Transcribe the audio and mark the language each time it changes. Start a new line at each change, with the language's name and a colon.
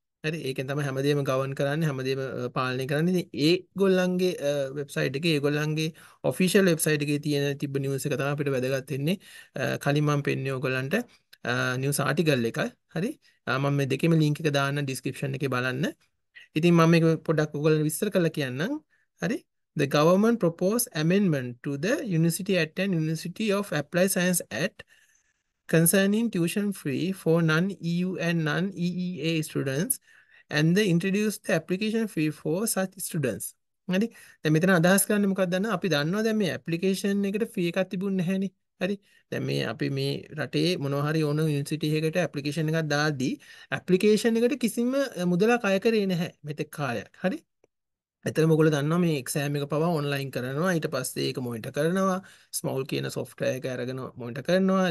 Sinhala: හරි, ඒකෙන් තමයි හැමදේම ගවන් කරන්නේ, හැමදේම පාලනය කරන්නේ. ඉතින් ඒගොල්ලන්ගේ වෙබ්සයිට් එකේ, ඒගොල්ලන්ගේ ඔෆිෂියල් වෙබ්සයිට් එකේ තියෙන තිබ්බ නිවුස් එක තමයි අපිට වැදගත් වෙන්නේ. කලින් මම පෙන්නේ ඔයගොල්ලන්ට නිවුස් ආටිකල් එක. හරි, මම මේ දෙකෙම ලින්ක් එක දාන්න ඩිස්ක්‍රිප්ෂන් එකේ බලන්න. ඉතින් මම මේක පොඩ්ඩක් ඔයගොල්ලන්ට විස්තර කරලා කියන්නම්.
English: හරි, the government propose amendment to the university act and university of applied science act concerning tuition free for non-EU and non-EEA students and they introduce the application fee for such students.
Sinhala: හරි, දැන් මෙතන අදහස් කරන්න මොකක්ද දන්නා? අපි දන්නවා දැන් මේ ඇප්ලිකේෂන් එකට ෆී එකක් තිබුණ නැහැනේ. හරි, දැන් මේ අපි මේ රටේ මොනවා හරි ඕන යුනිවර්සිටි එකකට ඇප්ලිකේෂන් එකක් දාද්දී ඇප්ලිකේෂන් එකට කිසිම මුදලක් අය කරේ නැහැ මෙතෙක් කාලයක්. හරි, ඇතර මොකද දන්නවා මේ එක්සෑම් එක පවා ඔන්ලයින් කරනවා, ඊට පස්සේ ඒක මොනිටර් කරනවා, ස්මෝල් කියන සොෆ්ට්වෙයාර් එක අරගෙන මොනිටර් කරනවා.